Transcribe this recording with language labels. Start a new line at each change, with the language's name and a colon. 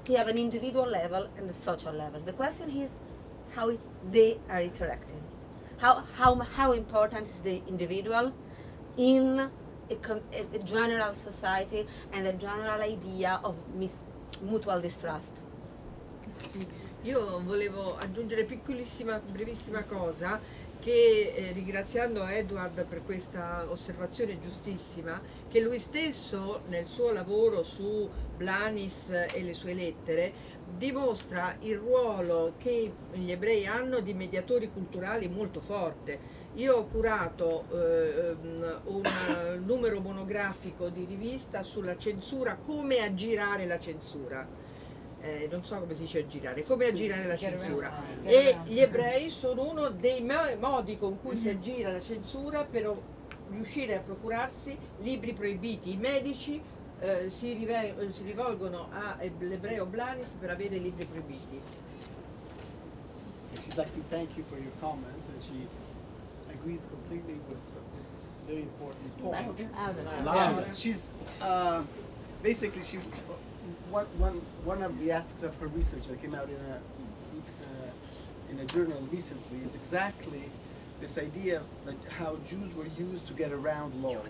English: We have an individual level and a social level. The question is how they are interacting. How important is the individual in a general society and a general idea of mutual distrust?
Italian: Io volevo aggiungere piccolissima, brevissima cosa, che ringraziando Edward per questa osservazione giustissima, che lui stesso nel suo lavoro su Blanis e le sue lettere dimostra il ruolo che gli ebrei hanno di mediatori culturali molto forte. Io ho curato un numero monografico di rivista sulla censura, come aggirare la censura. Non so come si dice aggirare, come aggirare la censura. E gli ebrei sono uno dei modi con cui si aggira la censura per riuscire a procurarsi libri proibiti. I medici si rivolgono all'ebreo Blanis per avere libri proibiti.
English: She'd like to thank you for your comment, and she agrees completely with this very important point. One of her research that came out in a journal recently is exactly this idea of how Jews were used to get around law.